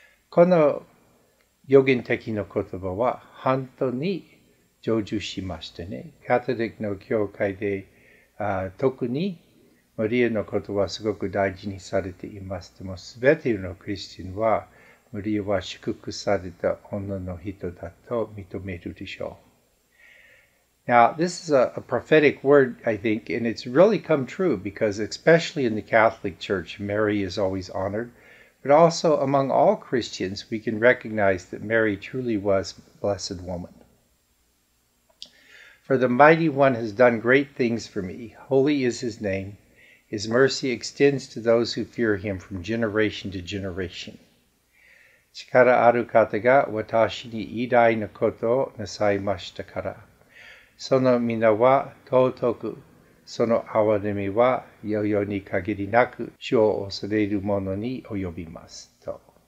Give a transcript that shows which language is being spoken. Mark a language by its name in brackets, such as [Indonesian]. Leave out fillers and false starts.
[Japanese] この予言的な言葉は、本当に成就しましたね。カトリックの教会で、特にマリアのことはすごく大事にされています。でも、すべてのクリスチャンは、マリアは祝福された女の人だと認めるでしょう。 [English] Now, this is a prophetic word, I think, and it's really come true because, especially in the Catholic Church, Mary is always honored. But also, among all Christians, we can recognize that Mary truly was a blessed woman. For the Mighty One has done great things for me. Holy is His name. His mercy extends to those who fear Him from generation to generation. [Japanese] 力ある方が私に偉大なことをなさいましたから。その皆は尊く、その憐れみは世々に限りなく、主を恐れる者に及びますと。